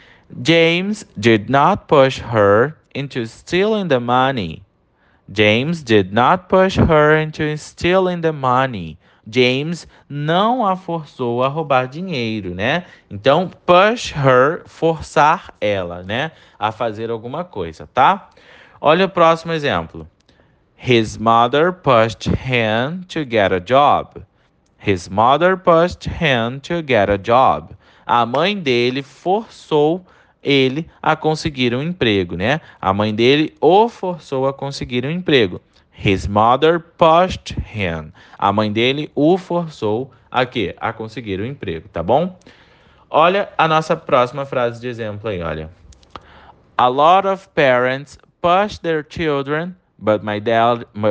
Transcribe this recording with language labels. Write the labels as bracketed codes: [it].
[en] James did not push her into stealing the money. James did not push her into stealing the money. [pt] James não a forçou a roubar dinheiro, né? Então, push her, forçar ela, né? A fazer alguma coisa, tá? Olha o próximo exemplo. [en] His mother pushed him to get a job. His mother pushed him to get a job. [pt] A mãe dele forçou ele a conseguir um emprego, né? A mãe dele o forçou a conseguir um emprego. [en] His mother pushed him. [pt] A mãe dele o forçou a quê? A conseguir um emprego, tá bom? Olha a nossa próxima frase de exemplo aí, olha. [en] A lot of parents push their children, but my dad...